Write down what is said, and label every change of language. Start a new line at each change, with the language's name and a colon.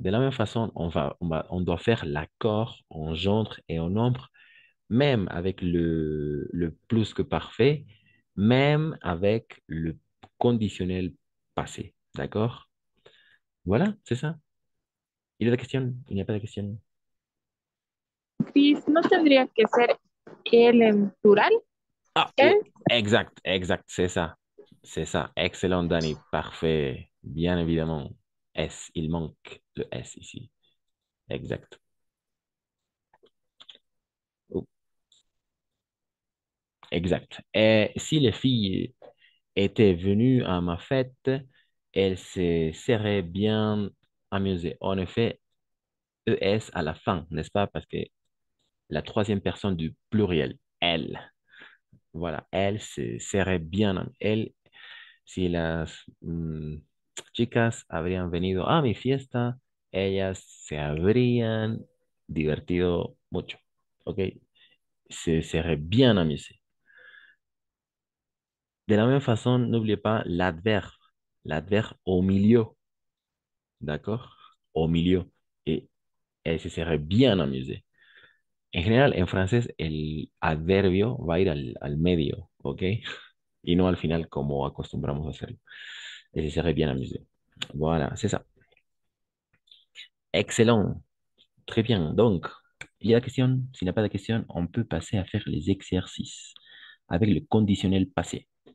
French: De la même façon, on doit faire l'accord en genre et en nombre, même avec le plus que parfait, même avec le conditionnel passé. D'accord? Voilà, c'est ça. Il y a la question, il n'y a pas de question.
Spanish: No tendría que ser el en plural.
French: Ah, oui, exact, exact, c'est ça. C'est ça. Excellent, Dani. Parfait. Bien évidemment. S, il manque le S ici. Exact. Exact. Et si les filles étaient venues à ma fête, elle se serait bien amusée. En effet, ES à la fin, n'est-ce pas? Parce que la troisième personne du pluriel, elle. Voilà, elle se serait bien amusée. Elle,
Spanish: si las chicas habrían venido a mi fiesta, ellas se habrían divertido mucho.
French: ¿Ok? Se serait bien amusée. De la même façon, n'oubliez pas l'adverbe. L'adverbe au milieu. D'accord? Au milieu. Et elle se serait bien amusée. En général, en français,
Spanish: el adverbio va a ir al medio. ¿Ok? Y no al final, como acostumbramos a hacerlo.
French: Elle se serait bien amusée. Voilà, c'est ça. Excellent. Très bien. Donc, il y a la question. S'il n'y a pas de question, on peut passer à faire les exercices avec le conditionnel passé.